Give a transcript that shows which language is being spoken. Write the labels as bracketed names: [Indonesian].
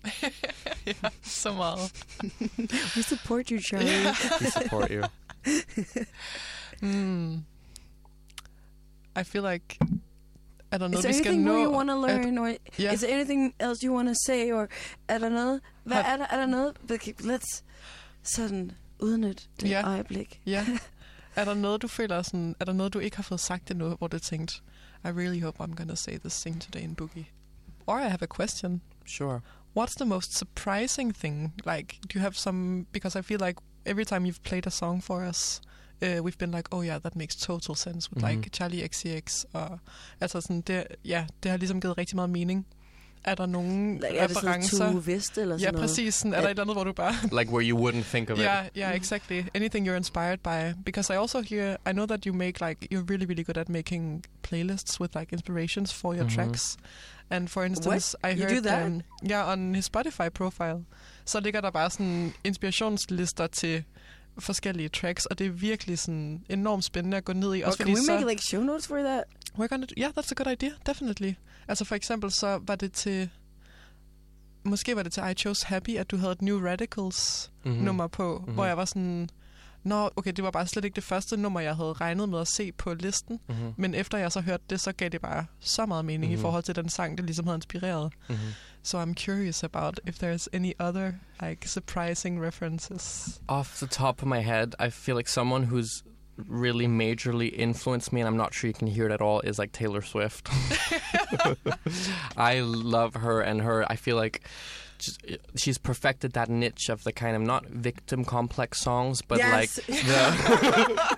[English] Yeah, Samal. We support you, Charlie. We support you. I feel like I don't know. Is there anything more you want to learn, or is there anything else you want to say, or I don't know. Let's [Danish] sådan uden et øjeblik. [English] Yeah. [Danish] Er der noget du føler sådan? Er der noget du ikke har fået sagt endnu, hvor du tænkt, [English] I really hope I'm gonna say this thing today in Boogie? Or I have a question. Sure. What's the most surprising thing? Like, do you have some? Because I feel like every time you've played a song for us, we've been like, oh yeah, that makes total sense with like Charlie XCX. [Danish] Altså sådan, det har ligesom givet rigtig meget mening. Er der nogen referencer? Er det sådan, du vidste eller sådan noget? Ja, præcis. Sådan, er der et eller andet, hvor du bare [English] like where you wouldn't think of it. Yeah, exactly. Anything you're inspired by. Because I also hear, I know that you make like, you're really, really good at making playlists with like inspirations for your tracks. And for instance, what? I heard you do that? On his Spotify profile, [Danish] så ligger der bare sådan inspirationslister til forskellige tracks, og det er virkelig sådan enormt spændende at gå ned i. Også [English] can we make like show notes for that? That's a good idea, definitely. [Danish] Altså for eksempel, så var det til, måske var det til I Chose Happy, at du havde et New Radicals nummer på, hvor jeg var sådan, nå, okay, det var bare slet ikke det første nummer, jeg havde regnet med at se på listen, men efter jeg så hørte det, så gav det bare så meget mening i forhold til den sang, det ligesom havde inspireret. [English] So I'm curious about if there's any other like surprising references. Off the top of my head, I feel like someone who's really majorly influenced me, and I'm not sure you can hear it at all, is like Taylor Swift. I love her, and her, I feel like she's perfected that niche of the kind of not victim complex songs, but like the